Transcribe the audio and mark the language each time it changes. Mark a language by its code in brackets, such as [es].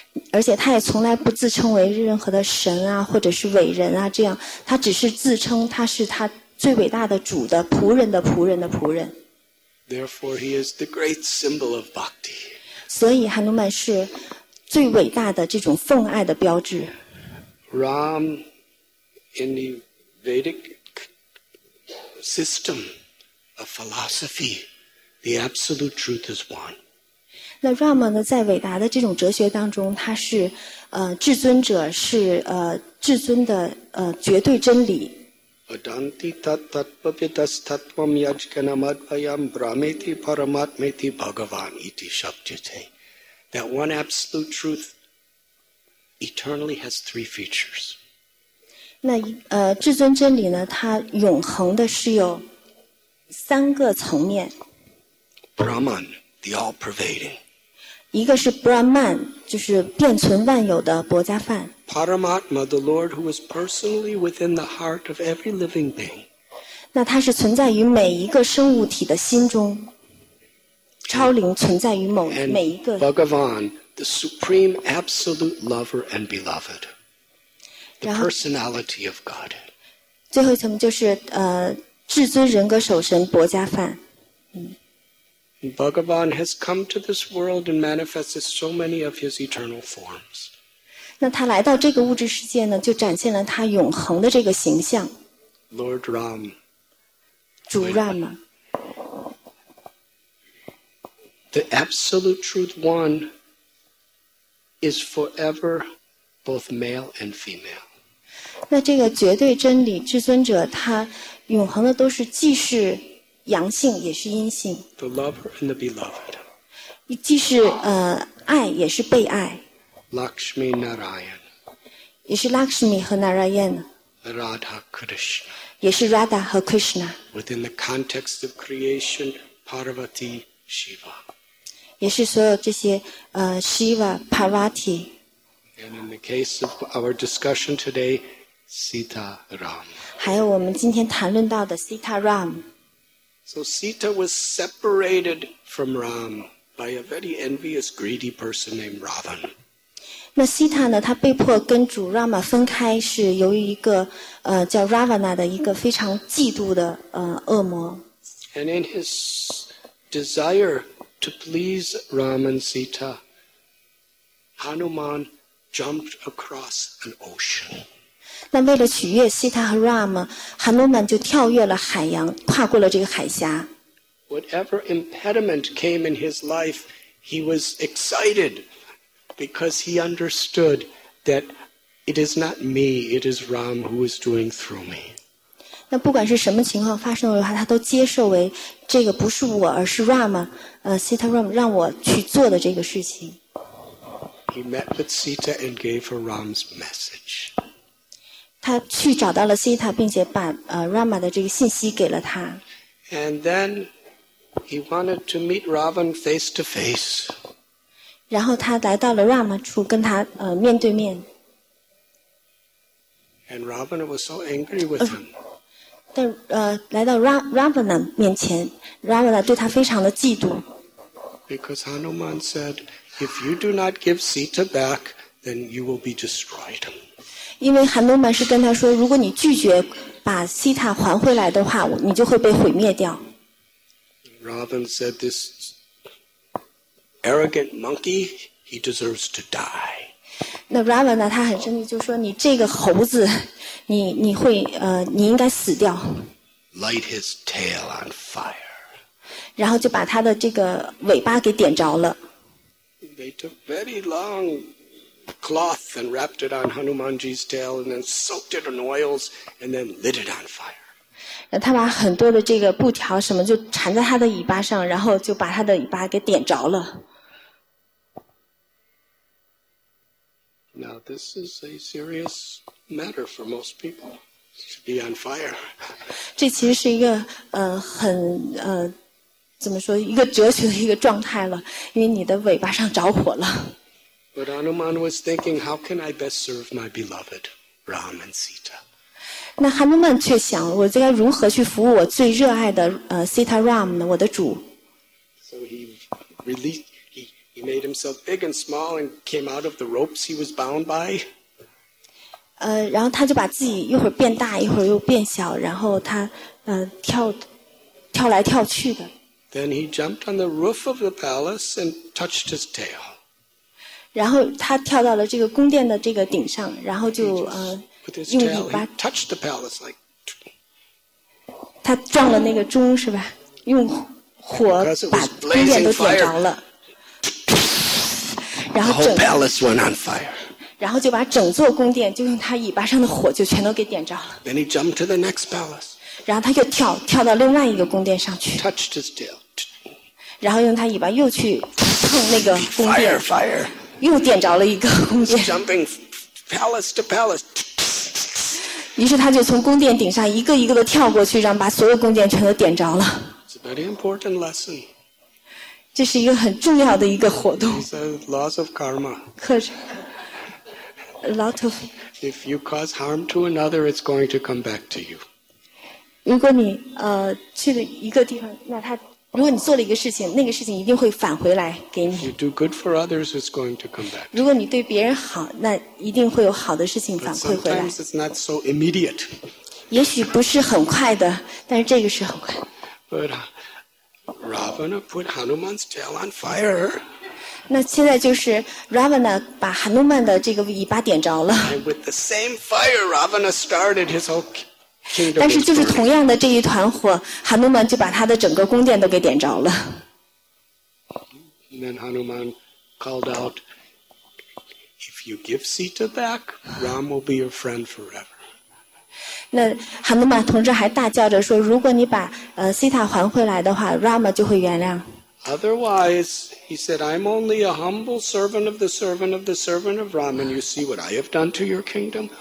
[zh] 而且他也从来不自称为任何的神啊，或者是伟人啊，这样他只是自称他是他最伟大的主的仆人的仆人的仆人。 [en] Therefore, he is the great symbol of bhakti. [zh] 所以汉努曼是最伟大的这种奉爱的标志。 [en] Ram, in the Vedic system of philosophy. The absolute truth is one. [zh] 那 Ram 呢，在伟达的这种哲学当中，他是至尊者，是至尊的绝对真理。 [sa] Adanti tat tatpavitas tatvam yajganam advayam brahmeti paramatmeti bhagavan iti shabdite. [en] That one absolute truth eternally has three features. [zh] 那至尊真理呢，它永恒的是有三个层面。 [en] Brahman, the all-pervading. [zh] 一个是 Brahman, 就是遍存万有的薄伽梵。 [en] Paramatma, the Lord who is personally within the heart of every living being. [zh] 那他是存在于每一个生物体的心中。超灵存在于每一个。 [en] Bhagavan, the supreme absolute lover and beloved. The personality of God. [zh] 最后一层就是至尊人格守神薄伽梵。 [en] Bhagavan has come to this world and manifested so many of his eternal forms. [zh] 那他来到这个物质世界呢，就展现了他永恒的这个形象。 [en] Lord Ram. [zh] 主 Rama. [en] The absolute truth one is forever both male and female. [zh] 那这个绝对真理至尊者，他永恒的都是既是。阳性也是阴性。 [en] The lover and the beloved. [zh] 既是爱也是被爱。 [en] Lakshmi Narayan. [zh] 也是 Lakshmi 和 Narayan. [en] Radha Krishna. [zh] 也是 Radha 和 Krishna. [en] Within the context of creation, Parvati Shiva. [zh] 也是所有这些Shiva Parvati. [en] And in the case of our discussion today, Sita Ram. [zh] 还有我们今天谈论到的 Sita Ram. [en] So Sita was separated from Ram by a very envious, greedy person named Ravan. [zh] 那 Sita 呢？她被迫跟主 Rama 分开，是由于一个叫 Ravana 的一个非常嫉妒的恶魔。 [en] And in his desire to please Ram and Sita, Hanuman jumped across an ocean. [zh] 那为了取悦 Sita 和 Ram, Hanuman 就跳跃了海洋，跨过了这个海峡。 [en] Whatever impediment came in his life, he was excited because he understood that it is not me, it is Ram who is doing through me. [zh] 那不管是什么情况发生的话，他都接受为这个不是我，而是 Rama， Sita Ram 让我去做的这个事情。 [en] He met with Sita and gave her Ram's message. [zh] 他去找到了 Sita， 并且把Rama 的这个信息给了他。 [en] And then he wanted to meet Ravan face to face. [zh] 然后他来到了 Rama 处，跟他面对面。 [en] And Ravan was so angry with him. [zh] 但来到 Ravana 面前 ，Ravana 对他非常的嫉妒。 [en] Because Hanuman said, "If you do not give Sita back, then you will be destroyed." [zh] 因为 Hanuman 是跟他说，如果你拒绝把 Sita 还回来的话，你就会被毁灭掉。 [en] Ravan said, "This arrogant monkey, he deserves to die." [zh] 那 Ravana 他很生气，就说你这个猴子。你会你应该死掉。 [en] Light his tail on fire. [zh] 然后就把他的这个尾巴给点着了。 [en] They took very long cloth and wrapped it on Hanumanji's tail and then soaked it in oils and then lit it on fire. [zh] 然后他把很多的这个布条什么就缠在他的尾巴上，然后就把他的尾巴给点着了。 [en] Now this is a serious. Matter for most people to be on fire. [zh] 这其实是一个很怎么说一个哲学的一个状态了，因为你的尾巴上着火了。 [en] But Hanuman was thinking, how can I best serve my beloved Ram and Sita? [zh] 那 Hanuman 却想，我应该如何去服务我最热爱的Sita Ram 呢？我的主。 [en] So he released. He made himself big and small and came out of the ropes he was bound by. [zh] 然后他就把自己一会儿变大一会儿又变小，然后他跳来跳去的。 [en] Then he jumped on the roof of the palace and touched his tail. [zh] 然后他跳到了这个宫殿的这个顶上，然后就用尾巴 [en] touched the palace like [zh] 他撞了那个钟是吧？用火把宫殿都点着了。然后整个 [en] The whole palace went on fire. [zh] 然后就把整座宫殿就用他尾巴上的火就全都给点着了。 [en] Then he jumped to the next palace. [zh] 然后他又跳到另外一个宫殿上去。 [en] Touched his tail. [zh] 然后用他尾巴又去碰那个宫殿。 [en] Fire, fire. [zh] 又点着了一个宫殿。 [en] Jumping palace to palace. [zh] 于是他就从宫殿顶上一个一个的跳过去，然后把所有宫殿全都点着了。 [en] It's a very important lesson. [zh] 这是一个很重要的一个活动。 [en] It's a loss of karma. [zh] 课程。 [en] A lot of. If you cause harm to another, it's going to come back to you. [zh] 如果你去了一个地方，那他如果你做了一个事情，那个事情一定会返回来给你。 [en] If you do good for others, it's going to come back. [zh] 如果你对别人好，那一定会有好的事情反馈回来。 [en] Sometimes it's not so immediate. [zh] 也许不是很快的，但是这个是很快。 [en] But Ravana put Hanuman's tail on fire. [zh] 那现在就是 Ravana 把 Hanuman 的这个尾巴点着了。 [en] With the same fire, Ravana started his whole kingdom. [zh] 但是就是同样的这一团火， Hanuman 就把他的整个宫殿都给点着了。 [en] Then Hanuman called out, "If you give Sita back, Ram will be your friend forever." [zh] 那 Hanuman 同志还大叫着说，如果你把Sita 还回来的话 ，Ram 就会原谅。 [en] Otherwise, he said, I'm only a humble servant of the servant of the servant of Ram, and you see what I have done to your kingdom?